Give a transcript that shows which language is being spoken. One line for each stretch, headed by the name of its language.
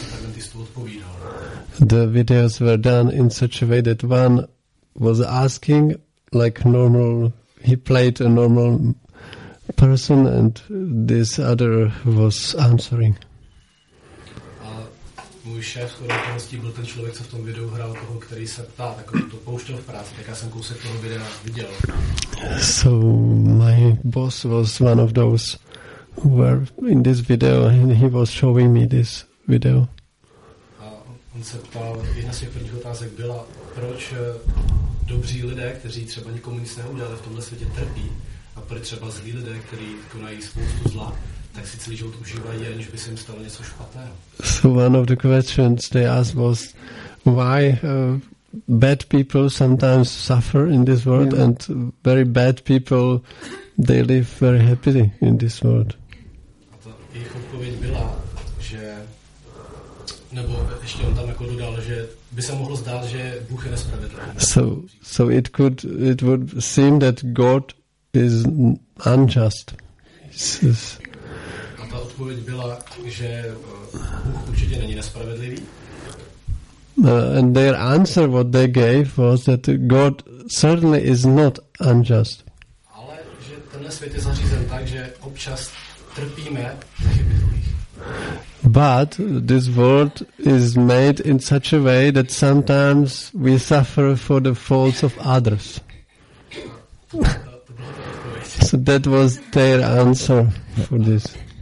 English: The videos were done in such a way that one was asking like normal, he played a normal person and this other was answering.
Czech: Můj šéf skoroutností byl ten člověk, co v tom videu hrál toho, který se ptá, tak to pouštěl v práci, tak já jsem kousek toho videa viděl.
English: So my boss was one of those who were in this video and he was showing me this video.
Czech: A on se ptal, jedna z těch prvních otázek byla, proč dobří lidé, kteří třeba nikomu nic neudělali, v tomhle světě trpí, a proč třeba zlí lidé, kteří konají spoustu zla, tak si celý život užívají, aniž by se jim stalo něco špatného.
English: So one of the questions they asked was why bad people sometimes suffer in this world and very bad people they live very happily in this world.
Czech: A ta jejich odpověď byla, že nebo ještě on tam jako dodal, že by se mohlo zdát, že Bůh je nespravedlivý.
English: So it would seem that God is unjust.
Czech: A ta odpověď byla, že Bůh určitě není nespravedlivý.
English: And their answer, what they gave, was that God certainly is not unjust.
Czech: Ale že tenhle svět je zařízen tak, že občas trpíme za chyby druhých.
English: But this world is made in such a way that sometimes we suffer for the faults of others. So that was their answer for this.